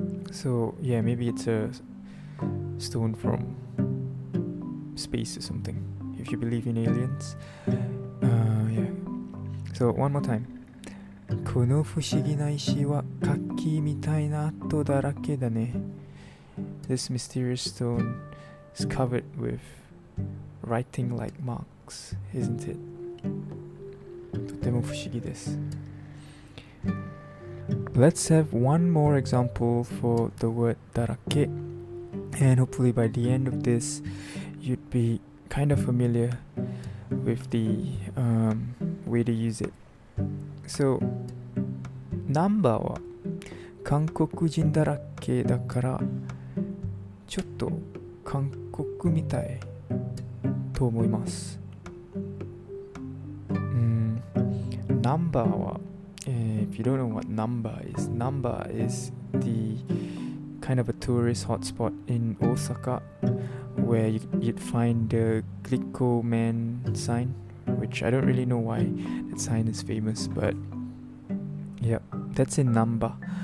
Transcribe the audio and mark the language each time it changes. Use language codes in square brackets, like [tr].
[en] So yeah, maybe it's a stone from space or something, if you believe in aliens. So one more time. [ja] この不思議な石は牡蠣みたいな跡だらけだね。 [en] This mysterious stone is covered with writing like marks, isn't it? [ja] とても不思議です。 [en] Let's have one more example for the word だらけ. And hopefully by the end of this, you'd be kind of familiar with the way to use it. [ja] So, ナンバーは韓国人だらけだからちょっと韓国みたいと思います。 [en] ナンバーは、if you don't know what number is the kind of a tourist hotspot in Osaka where you'd find the Glico Man sign, which I don't really know why that sign is famous, but yeah, that's in Namba.